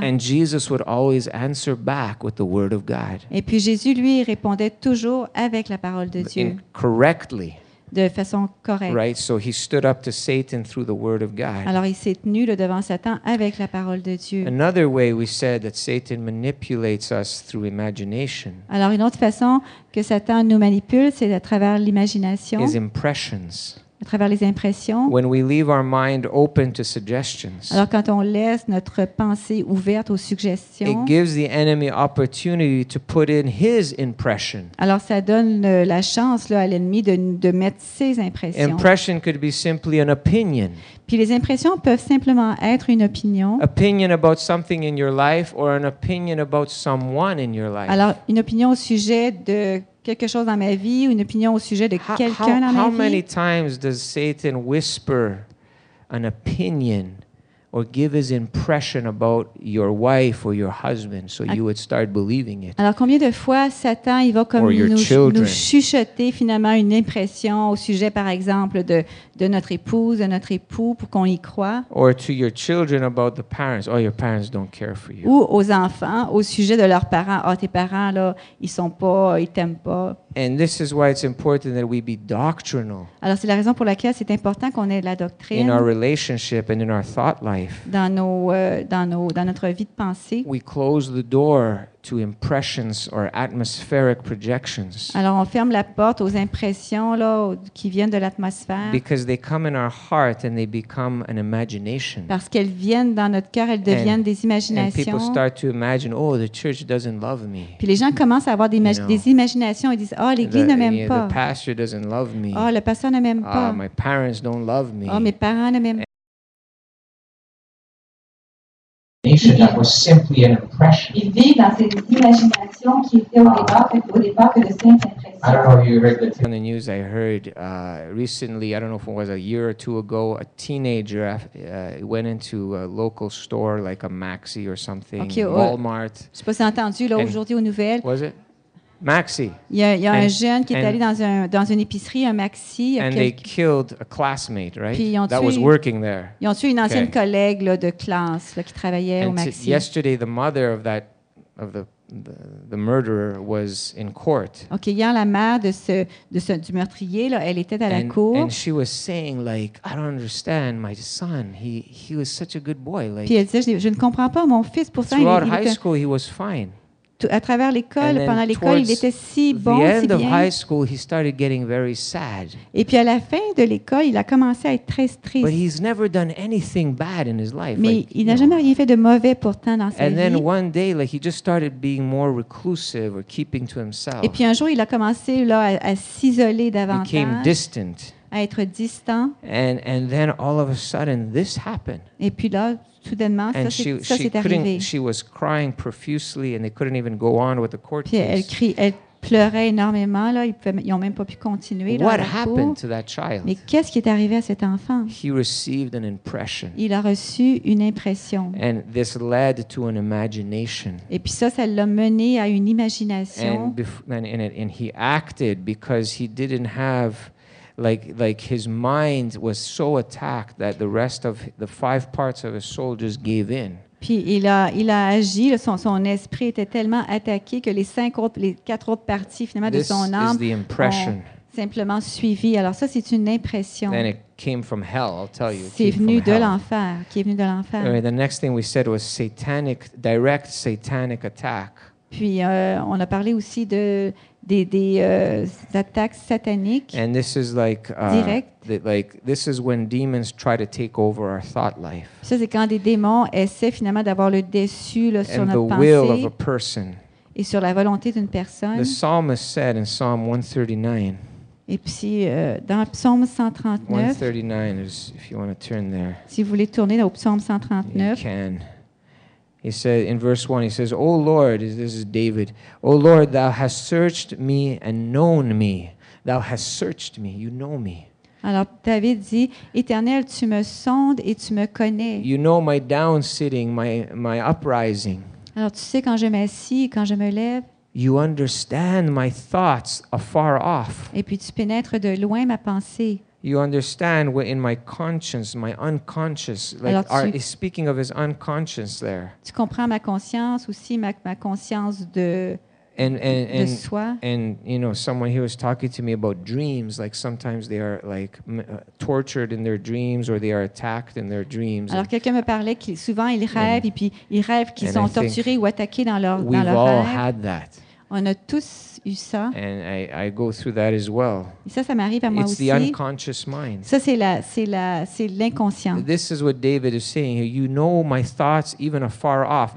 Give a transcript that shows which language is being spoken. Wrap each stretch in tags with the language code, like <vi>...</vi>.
<en>And Jesus would always answer back with the word of God.</en> <fr>Et puis Jésus lui répondait toujours avec la parole de Dieu.</fr> <en>Correctly.</en> <fr>De façon correcte.</fr> <en>Right, so he stood up to Satan through the word of God.</en> <fr>Alors il s'est tenu devant Satan avec la parole de Dieu.</fr> <en>Another way we said that Satan manipulates us through imagination.</en> <fr>Alors une autre façon que Satan nous manipule, c'est à travers l'imagination.</fr> <en>His impressions.</en> <fr>À travers les impressions.</fr> <en>When we leave our mind open to suggestions,</en> <fr>alors quand on laisse notre pensée ouverte aux suggestions,</fr> <en>it gives the enemy opportunity to put in his impression.</en> <fr>Alors ça donne la chance là, à l'ennemi de mettre ses impressions.</fr> <en>Impression could be simply an opinion.</en> <fr>Puis les impressions peuvent simplement être une opinion.</fr> <en>Opinion about something in your life or an opinion about someone in your life.</en> <fr>Alors une opinion au sujet de quelque chose dans ma vie ou une opinion au sujet de quelqu'un dans ma vie.</fr> <en>How many times does Satan whisper an opinion or give his impression about your wife or your husband so you would start believing it?</en> <fr>Alors combien de fois Satan il va comme nous chuchoter finalement une impression au sujet par exemple de notre épouse, de notre époux pour qu'on y croit?</fr> <en>Or to your children about the parents, oh your parents don't care for you.</en> <fr>Ou aux enfants au sujet de leurs parents, oh tes parents là, ils sont pas, ils t'aiment pas.</fr> <en>And this is why it's important that we be doctrinal.</en> <fr>Alors c'est la raison pour laquelle c'est important qu'on ait de la doctrine.</fr> <en>In our relationship and in our thought life.</en> <fr>Dans notre vie de pensée.</fr> <en>We close the door to impressions or atmospheric projections.</en> <fr>Alors on ferme la porte aux impressions là qui viennent de l'atmosphère.</fr> <en>Because they come in our heart and they become an imagination.</en> <fr>Parce qu'elles viennent dans notre cœur, elles deviennent des imaginations.</fr> <en>And people start to imagine, oh, the church doesn't love me.</en> <fr>Puis les gens commencent à avoir des imaginations et disent, oh, l'église ne m'aime pas.</fr> <en>The pastor doesn't love me.</en> <fr>Oh, le pasteur ne m'aime pas.</fr> <en>My parents don't love me.</en> <fr>Oh, mes parents ne m'aiment pas.</fr> <en>That was simply an impression.</en> <fr>Il vit dans cette imagination qui était au départ que de simples impressions.</fr> <en>I don't know if you heard that on the news. I heard recently. I don't know if it was a year or two ago. A teenager went into a local store like a Maxi or something, okay, Walmart.</en> <fr>Je sais pas si t'as entendu là aujourd'hui aux nouvelles.</fr> <en>Was it Maxi?</en> <fr>Il y a un jeune qui est allé dans une épicerie, un Maxi.</fr> <en>And they killed a classmate, right?</en> <fr>Puis ils ont tué une ancienne collègue là, de classe là, qui travaillait au Maxi.</fr> <en>Yesterday, the mother of the murderer was in court.</en> <fr>Ok, hier la mère du meurtrier là, elle était à la cour.</fr> <en>And she was saying like, I don't understand my son. He was such a good boy. Like,</en> <fr>puis elle disait, je ne comprends pas mon fils pour ça.</fr> <en>Throughout high school, he was fine.</en> <fr>À travers l'école, pendant l'école, il était si bon,</fr> <en>the</en> <fr>si</fr> <en>end Of high school, he started getting very sad.</en> <fr>Et puis à la fin de l'école, il a commencé à être très triste.</fr> <en>But he's never done anything bad in his life.</en> <fr>Mais</fr> <en>like,</en> <fr>il n'a jamais rien fait de mauvais pourtant dans sa</fr> <en>and</en> <fr>vie.</fr> <en>Then one day, like, he just started being more reclusive or keeping to himself.</en> <fr>Et puis un jour, il a commencé là à s'isoler davantage.</fr> <en>Became distant.</en> <fr>À être distant.</fr> <en>And then all of a sudden, this happened.</en> <fr>Et puis là, soudainement,</fr> <en>and</en> <fr>ça s'est arrivé.</fr> <en>She was crying profusely, and they couldn't even go on with the court case.</en> <fr>Elle pleurait énormément là, ils ont même pas pu continuer là.</fr> <en>What happened to that child?</en> <fr>Mais qu'est-ce qui est arrivé à cet enfant?</fr> <en>He received an impression.</en> <fr>Il a reçu une impression.</fr> <en>And this led to an imagination.</en> <fr>Et puis ça, ça l'a mené à une imagination.</fr> <en>And he acted because he didn't have like his mind was so attacked that the rest of the five parts of his soul just gave in.</en> <fr>Puis il a agi, son esprit était tellement attaqué que les quatre autres parties finalement</fr> <en>this</en> <fr>de son âme ont simplement suivi. Alors ça, c'est une impression.</fr> <en>And it came from hell, I'll tell you.</en> <fr>C'est venu de l'enfer, qui est venu de l'enfer.</fr> <en>The next thing we said was satanic, direct satanic attack.</en> <fr>Puis on a parlé aussi de des attaques sataniques.</fr> <en>And this is like this is when demons try to take over our thought life.</en> <fr>Ça c'est quand des démons essaient finalement d'avoir le dessus là, sur</fr> <en>and</en> <fr>notre</fr> <en>the</en> <fr>pensée.</fr> <en>Will of a person.</en> <fr>Et sur la volonté d'une personne.</fr> <en>The psalmist said in Psalm 139.</en> <fr>Et puis dans Psaume 139.</fr> <en>139 is if you want to turn there.</en> <fr>Si vous voulez tourner au Psaume 139.</fr> <en>You can. He said in verse 1, he says, O Lord, this is David, O Lord, thou hast searched me and known me. Thou hast searched me, you know me.</en> <fr>Alors David dit, Éternel, tu me sondes et tu me connais.</fr> <en>You know my down sitting, my uprising.</en> <fr>Alors tu sais quand je m'assis, quand je me lève.</fr> <en>You understand my thoughts afar off.</en> <fr>Et puis tu pénètres de loin ma pensée.</fr> <en>You understand what in my conscience, my unconscious, he's speaking of his unconscious there.</en> <fr>Tu comprends ma conscience aussi, ma conscience de soi.</fr> <en>And you know, someone here was talking to me about dreams, like sometimes they are like tortured in their dreams or they are attacked in their dreams.</en> <fr>Alors quelqu'un me parlait que souvent ils rêvent et puis ils rêvent qu'ils sont torturés ou attaqués dans leur rêve.</fr> <en>We've all had that.</en> <fr>On a tous eu ça.</fr> <en>And I go through that as well.</en> <fr>Et ça m'arrive à moi</fr> <en>it's</en> <fr>aussi.</fr> <en>It's the unconscious mind.</en> <fr>Ça c'est l'inconscient.</fr> <en>This is what David is saying here. You know my thoughts even afar off.</en>